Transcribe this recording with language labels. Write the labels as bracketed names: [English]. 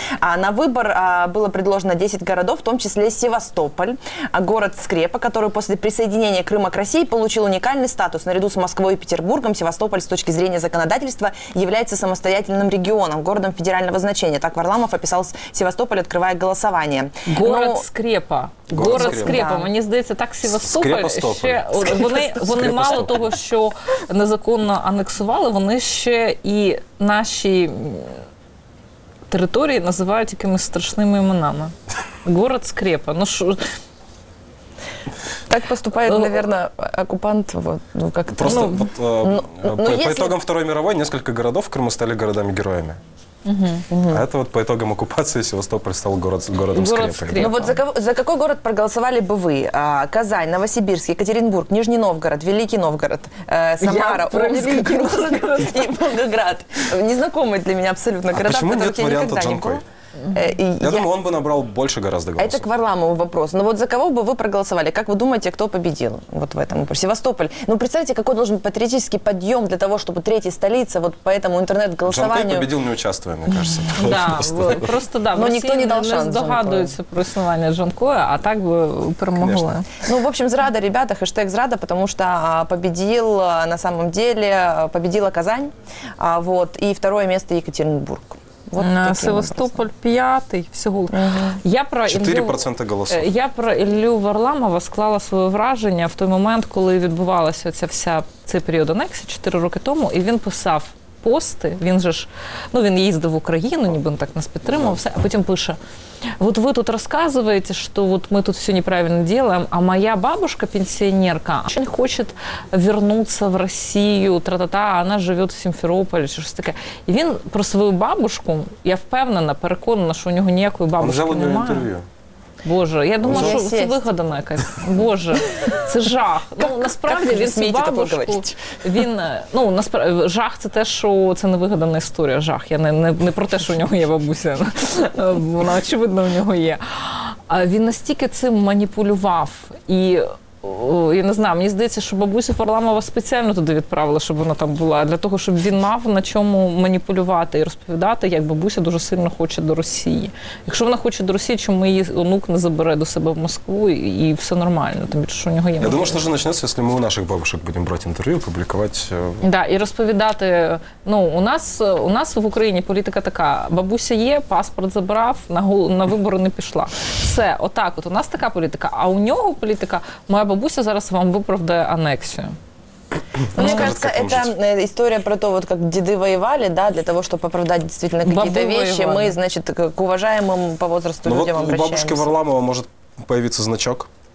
[Russian] А на выбор было предложено 10 городов, в том числе Севастополь, город-скрепа, который после присоединения Крыма к России получил уникальный статус. Наряду с Москвой и Петербургом Севастополь с точки зрения законодательства является самостоятельным регионом, городом федерального значения. Так Варламов описал Севастополь, открывая голосование. Город-скрепа. Город-скрепа. Да. Мне кажется, так Севастополь еще... [Ukrainian] Вони мало того, что незаконно аннексировали, вони ще і наші території називають якимись страшними іменами. Город Скрепа. Ну, що... Так поступає, наверное, окупант. Ну, [Russian] просто по итогам Второй мировой несколько городов в Криму стали городами-героями. Угу. А это вот по итогам оккупации Севастополь стал городом скрепа. Ну вот за какой город проголосовали бы вы? Казань, Новосибирск, Екатеринбург, Нижний Новгород, Великий Новгород, Самара, Великий Новгород и Волгоград. Незнакомые для меня абсолютно города, почему нет варианта Джанкой? Я думаю, он бы набрал больше гораздо голосов. Это к Варламову вопрос. Но вот за кого бы вы проголосовали? Как вы думаете, кто победил вот в этом вопросе? Севастополь. Ну, представьте, какой должен быть патриотический подъем для того, чтобы третья столица вот по этому интернет-голосованию... Джанкой победил, не участвуя, мне кажется. Да, просто да. Но никто не дал шанс. Не догадывается [Ukrainian] про існування Джанкоя, а так бы перемогла. [Russian] Ну, в общем, зрада, ребята, хэштег зрада, потому что победил на самом деле, победила Казань, вот, и второе место Екатеринбург. [Ukrainian] Вот Севастополь п'ятий всього. Я про 4% голосів. Я про Іллю Варламова склала своє враження в той момент, коли відбувалася ця вся цей період анексії 4 роки тому, і він писав пости. Він же ж, ну, він їздив в Україну, ніби він так нас підтримував, все, а потім пише: [Russian] «Вот вы тут рассказываете, что вот мы тут все неправильно делаем, а моя бабушка-пенсионерка очень хочет вернуться в Россию, тра-та-та, она живет в Симферополе», что-то такое. И он про свою бабушку, [Ukrainian] я впевнена, переконана, [Russian] что у него никакой бабушки немає. Он взял у нее интервью. [Ukrainian] Боже, я думаю, що це вигадана якась. Боже, це жах. Ну, насправді, він свою бабушку, він, ну, насправді, жах – це те, що це не вигадана історія, жах. Я не про те, що у нього є бабуся, вона, очевидно, у нього є. А він настільки цим маніпулював і... Я не знаю, мені здається, що бабусю Варламова спеціально туди відправили, щоб вона там була, для того, щоб він мав на чому маніпулювати і розповідати, як бабуся дуже сильно хоче до Росії. Якщо вона хоче до Росії, чому її онук не забере до себе в Москву і все нормально, тому що у нього є. Я думаю, що вже почнеться, якщо ми у наших бабушок будемо брати інтерв'ю, публікувати. Да, і розповідати, ну, у нас в Україні політика така: бабуся є, паспорт забрав, на вибори не пішла. Все, отак от у нас така політика, а у нього політика: моя бабуся зараз вам виправдає анексію. [Russian] Ну, мне кажется, это жить. История про то, вот как деды воевали, да, для того, чтобы оправдать действительно какие-то бабы вещи. Воевали. Мы, значит, к уважаемым по возрасту Но людям вот обращаемся. У бабушки Варламова может появиться значок.